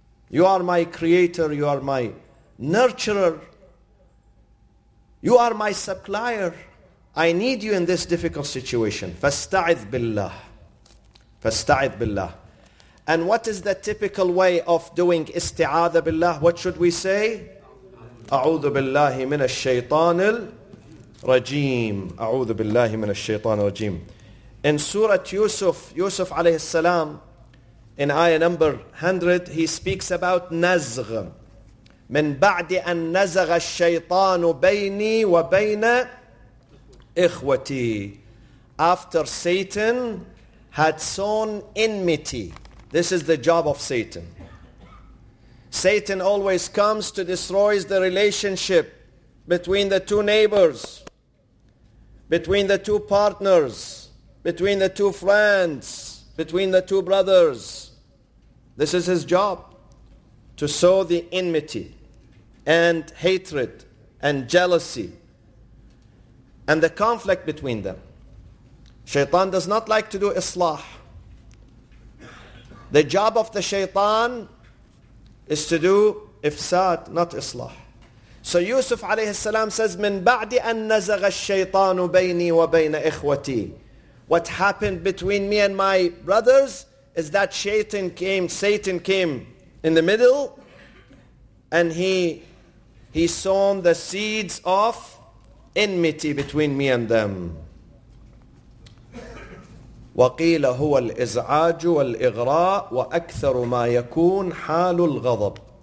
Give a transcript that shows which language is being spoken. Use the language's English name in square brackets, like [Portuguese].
[English] You are my creator. You are my nurturer. You are my supplier. I need you in this difficult situation. [Arabic] فَاسْتَعِذْ بِاللَّهِ. فَاسْتَعِذْ بِاللَّهِ. [English] And what is the typical way of doing [Arabic] استعاذ بالله? [English] What should we say? [Arabic] أعوذ بالله من الشيطان الرجيم. أعوذ بالله من الشيطان الرجيم. [English] In Surah Yusuf, Yusuf alayhi salam, in ayah number 100, he speaks about nazgh. [Arabic] من بعد أن نزغ الشيطان بيني وبين إخوتي. [English] After Satan had sown enmity. This is the job of Satan. Satan always comes to destroy the relationship between the two neighbors, between the two partners, between the two friends, between the two brothers. This is his job, to sow the enmity and hatred and jealousy and the conflict between them. Shaitan does not like to do islah. The job of the shaitan is to do ifsad, not islah. So Yusuf alayhi salam says, [Arabic] من بعد أن نزغ الشيطان بيني وبين إخوتي. [English] What happened between me and my brothers is that Satan came in the middle and he sown the seeds of enmity between me and them. [Arabic] وقيل هو الإزعاج والإغراء وأكثر ما يكون حال الغضب.